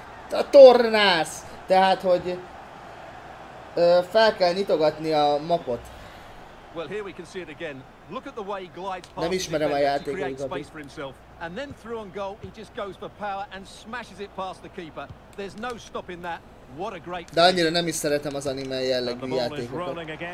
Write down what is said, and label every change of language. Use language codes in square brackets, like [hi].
[hu] A tornász! Tehát, hogy fel kell nyitogatni a mapot. [en] Well, here we can see it again. Look at the way he glides past. [hu] Nem ismerem a játékot. [en] And then through on goal, he just goes for power and smashes it past the keeper. There's no stopping that. What a great. [hu] De annyira nem is szeretem az anime jellegű játékokat.